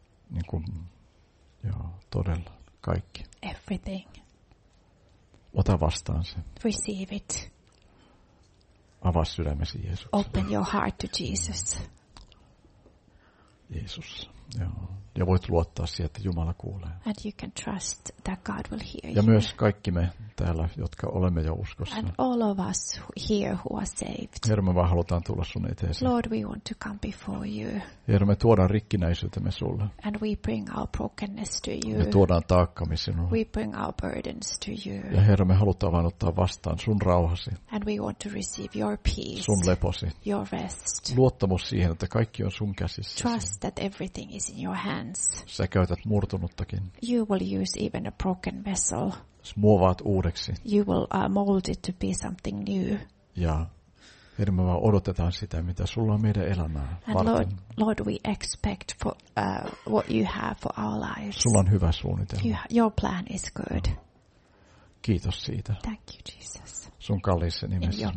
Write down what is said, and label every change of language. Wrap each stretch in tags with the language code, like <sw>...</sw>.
<fi>Niin kuin, joo, todella, kaikki.</fi> <en>Everything.</en> <fi>Ota vastaan se.</fi> <en>Receive it.</en> <fi>Avaa sydämesi Jeesus.</fi> <en>Open your heart to Jesus.</en> <fi>Jeesus, joo. Ja voit luottaa siihen, että Jumala kuulee.</fi> <en>And you can trust that God will hear you.</en> <fi>Ja myös kaikki me täällä, jotka olemme jo uskossa.</fi> <en>And all of us here who are saved.</en> <fi>Herra, me vaan halutaan tulla sun eteesi.</fi> <en>Lord, we want to come before you.</en> <fi>Herra, me tuodaan rikkinäisyytemme sulle.</fi> <en>And we bring our brokenness to you.</en> <fi>Me tuodaan taakkamme sinulle.</fi> <en>We bring our burdens to you.</en> <fi>Ja Herra, me halutaan vaan ottaa vastaan sun rauhasi.</fi> <en>And we want to receive your peace.</en> <fi>Sun leposi.</fi> <en>Your rest.</en> <fi>Luottamus siihen, että kaikki on sun käsissä.</fi> <en>Trust that everything is in your hands.</en> <fi>Sä käytät murtunuttakin.</fi> <en>You will use even a broken vessel.</en> <fi>Sä muovaat uudeksi.</fi> <en>You will mold it to be something new.</en> <fi>Ja Herra, me vaan odotetaan sitä, mitä sulla on meidän elämää varten.</fi> <en>Lord, we expect for what you have for our lives.</en> <fi>Sulla on hyvä suunnitelma.</fi> <en>Your plan is good.</en> <fi>Kiitos siitä.</fi> <en>Thank you, Jesus.</en> <fi>Sun kalliissa nimessä me rukoillaan.</fi>